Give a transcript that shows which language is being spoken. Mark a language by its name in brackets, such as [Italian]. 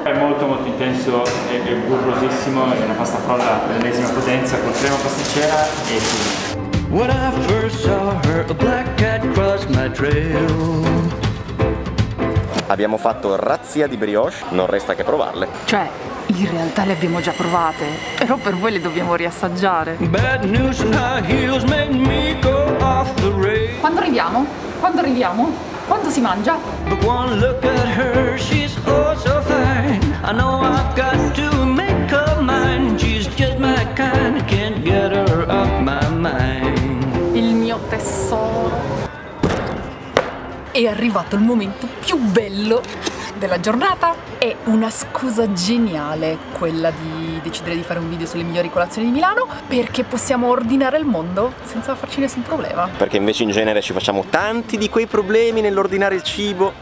[Italian] È molto molto intenso e burrosissimo. Una pasta frolla dell'ennesima potenza con crema pasticcera e [English] when I first saw her, a black cat crossed my trail. [Italian] Abbiamo fatto razzia di brioche, non resta che provarle. Cioè, in realtà le abbiamo già provate, però per voi le dobbiamo riassaggiare. [English] Bad news, high heels made me go off the rail. [Italian] Quando arriviamo? Quando arriviamo? Quando si mangia? [English] But one look at her, she's oh so fine. I know I've got to make up mind. She's just my kind, can't get her off my mind. [Italian] Il mio tesoro. È arrivato il momento più bello della giornata. È una scusa geniale quella di decidere di fare un video sulle migliori colazioni di Milano, perché possiamo ordinare il mondo senza farci nessun problema. Perché invece in genere ci facciamo tanti di quei problemi nell'ordinare il cibo.